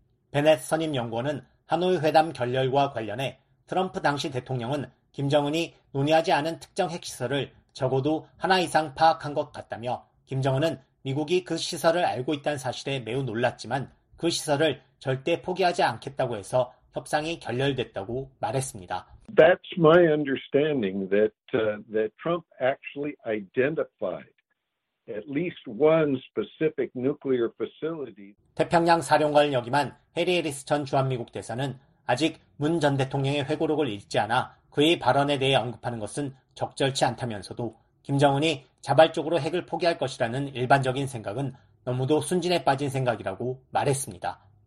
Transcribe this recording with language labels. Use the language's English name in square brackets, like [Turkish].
[Korean] 베넷 선임 연구원은 하노이 회담 결렬과 관련해 트럼프 당시 대통령은 김정은이 논의하지 않은 특정 핵 시설을 적어도 하나 이상 파악한 것 같다며 김정은은 미국이 그 시설을 알고 있다는 사실에 매우 놀랐지만 그 시설을 절대 포기하지 않겠다고 해서 협상이 결렬됐다고 말했습니다. [English] That's my understanding that Trump actually identified at least one specific nuclear facility. [Korean] 태평양 사령관을 역임한 해리 해리스 전 주한미국 대사는 아직 문 전 대통령의 회고록을 읽지 않아 그의 발언에 대해 언급하는 것은 적절치 않다면서도 김정은이 자발적으로 핵을 포기할 것이라는 일반적인 생각은 너무도 순진에 빠진 생각이라고 말했습니다.